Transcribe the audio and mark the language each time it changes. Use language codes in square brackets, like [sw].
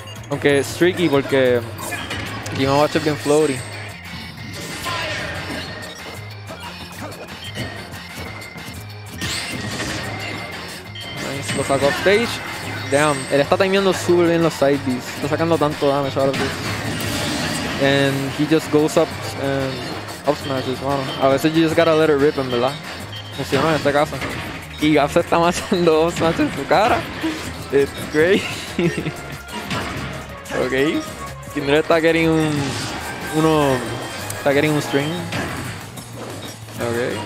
[es] Aunque es tricky porque Game & Watch es bien floaty. Nice, lo sacó offstage. [en] Damn, [es] él está timeando super bien los side beats. Está sacando tanto damage [en] out of this. And he just goes up and up smashes, [es] mano. A veces [en] you just gotta let it rip, [es] en verdad. Funciona en este caso. Y Gabs está matando up smashes en su cara. [en] It's great. [es] Ok. Kindred está getting un... Uno... Está getting un string. Ok.